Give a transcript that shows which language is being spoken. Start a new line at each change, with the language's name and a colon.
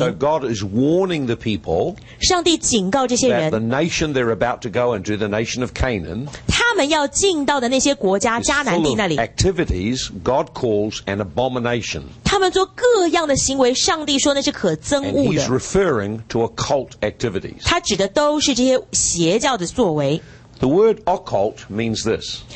English: So God is warning the people
Chinese: 上帝警告这些人
English: that the nation they're about to go into, the nation of Canaan
Chinese: 他们要进到的那些国家迦南地那里
English: activities God calls an abomination
Chinese: 他们做各样的行为上帝说那是可憎恶的
English: And he's referring to occult activities
Chinese: 他指的都是这些邪教的作为
English: The word occult means this